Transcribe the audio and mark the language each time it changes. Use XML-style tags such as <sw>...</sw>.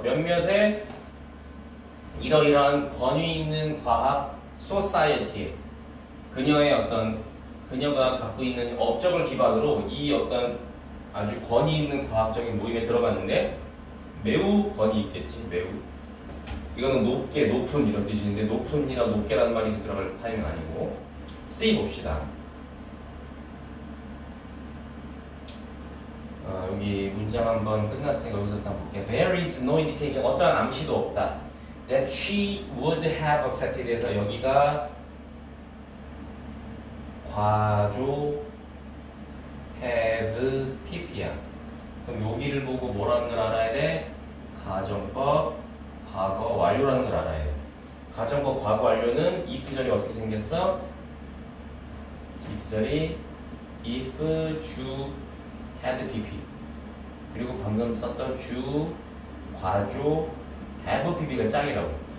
<ko>몇몇의 이러이러한 권위 있는 과학 소사이어티에 그녀의 어떤 그녀가 갖고 있는 업적을 기반으로 이 어떤 아주 권위 있는 과학적인 모임에 들어갔는데 매우 권위 있겠지. 매우 이거는 높게 높은 이런 뜻인데 높은이나 높게라는 말이 들어갈 타이밍 아니고 C 봅시다. 여기 문장 한번 끝났으니까 여기서 일단 볼게.</ko> <en>There is no indication,</en> <ko>어떠한 암시도 없다.</ko> <en>That she would have accepted</en> <ko>해서 여기가 과조</ko> <en>have pp야.</en> <ko>그럼 여기를 보고 뭐라는 걸 알아야 돼? 가정법 과거 완료라는 걸 알아야 돼. 가정법 과거 완료는 if 전이 어떻게 생겼어? if 전이 if she had pp 그리고 방금 썼던 주, 과조, have pp가 짝이라고.</ko>